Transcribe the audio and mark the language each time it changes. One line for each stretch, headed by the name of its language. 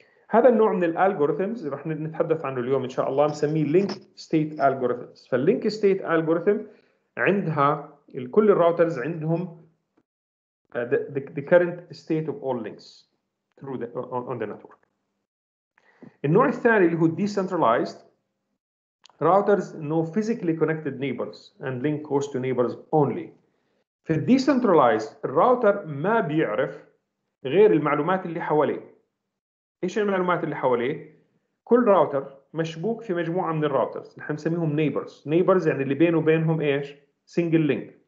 Arabic: هذا النوع من الالجوريثمز رح نتحدث عنه اليوم ان شاء الله, مسميه لينك ستيت الجوريثمز. فاللينك ستيت الجوريثم عندها كل الراوترز عندهم
English: the current state of all links through the on the network.
Arabic: النوع الثاني اللي هو decentralized,
English: Routers know physically connected neighbors and link host to neighbors only.
Arabic: في decentralized router ما بيعرف غير المعلومات اللي حواليه. إيش المعلومات اللي حواليه؟ كل راوتر مشبوك في مجموعة من الراوترز. نحن نسميهم neighbors. neighbors يعني اللي بينه وبينهم إيش؟ single link.